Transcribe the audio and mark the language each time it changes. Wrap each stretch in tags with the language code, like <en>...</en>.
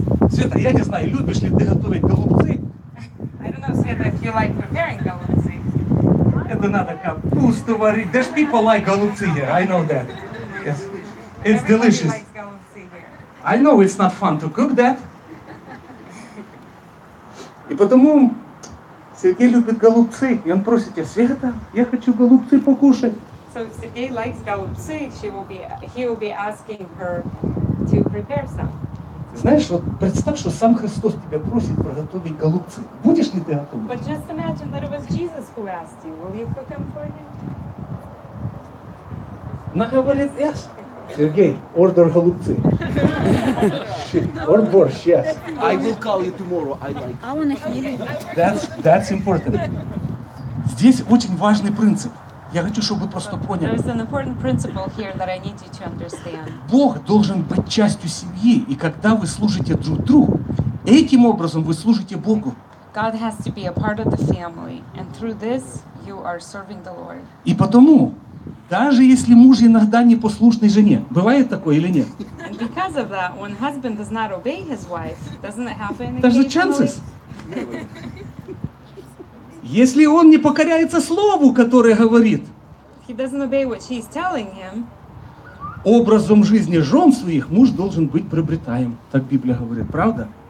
<ru>Света, я не знаю, любишь ли ты готовить голубцы?</ru> <en>I don't know, Света, if you like preparing голубцы.</en> <ru>Это надо капусту варить.</ru> <en>There's people like голубцы here, I know that. Yes. It's delicious. I know it's not fun to cook that.</en> <ru>И потому Сергей любит голубцы, и он просит тебя, Света, я хочу голубцы покушать.</ru> <en>So if Сергей likes голубцы, he will be asking her to prepare some.</en> <ru>Знаешь, вот представь, что сам Христос тебя просит приготовить голубцы. Будешь ли ты готовить?</ru> <en>But just imagine that it was Jesus who asked you, will you cook them for him?</en> <ru>Она говорит,</ru> <en>yes. Сергей, order голубцы. Or borscht, yes. I will call you tomorrow. I like. I want to hear you. That's important.</en> <ru>Здесь очень важный принцип. Я хочу, чтобы вы просто поняли.</ru> <en>There's an important principle here that I need you to understand.</en> <ru>Бог должен быть частью семьи, и когда вы служите друг другу, этим образом вы служите Богу.</ru> <en>God has to be a part of the family, and through this you are serving the Lord.</en> <ru>И потому даже если муж иногда не послушный жене, бывает такое или нет?</ru> <en>And because of that, when husband does not obey his wife, doesn't it happen? There's a chance.</en> <ru>Если он не покоряется слову, которое говорит,</ru> <en>he doesn't obey what she's telling him,</en> <ru>образом жизни жен своих муж должен быть приобретаем. Так Библия говорит, правда?</ru>